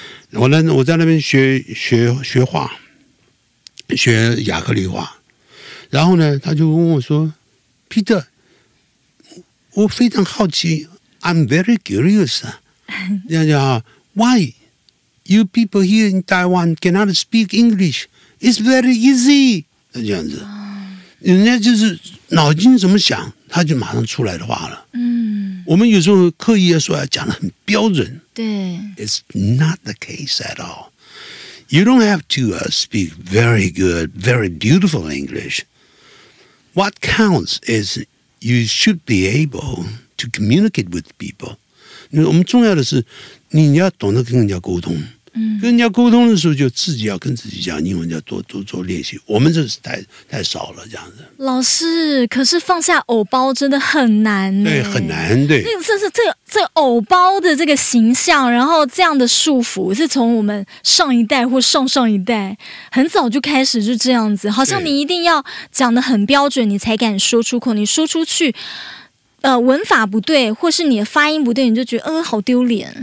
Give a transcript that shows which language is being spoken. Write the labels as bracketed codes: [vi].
[zh] 我在那边学画，学亚克力画，然后呢，他就问我说 ：“Peter， 我非常好奇 ， [en] I'm very curious， [zh] 这样叫 [en] Why you people here in Taiwan cannot speak English？ It's very easy， [zh] 这样子，人家就是脑筋怎么想，他就马上出来的话了。嗯，我们有时候刻意说讲得很标准，对 [en] ，It's not the case at all。 You don't have to speak very good, very beautiful English. What counts is you should be able to communicate with people. [zh] 我们重要的是你要懂得跟人家沟通、嗯、跟人家沟通的时候就自己要跟自己讲英文，要多做练习。我们这是 太少了，这样子。老师，可是放下偶包真的很难、欸、对，很难，对。这偶包的这个形象，然后这样的束缚是从我们上一代或上上一代很早就开始就这样子，好像你一定要讲得很标准你才敢说出口，你说出去文法不对或是你的发音不对，你就觉得好丢脸。